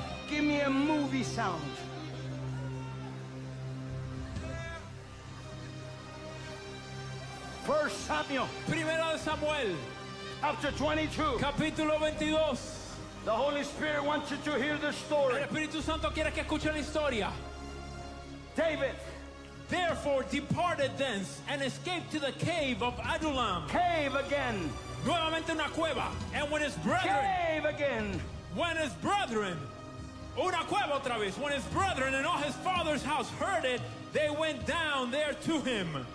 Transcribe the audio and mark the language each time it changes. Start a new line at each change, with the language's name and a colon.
English: Give me a movie sound. First Samuel.
Spanish: Primera de Samuel.
English: Chapter 22.
Spanish: Capítulo 22.
English: The Holy Spirit wants you to hear the story.
Spanish: El Espíritu Santo quiere que escuche la historia.
English: David. Therefore departed thence and escaped to the cave of Adullam. Cave again.
Spanish: Nuevamente una cueva.
English: And when his brethren. Cave again. When his brethren.
Spanish: Una cueva otra vez.
English: When his brethren and all his father's house heard it, they went down there to him.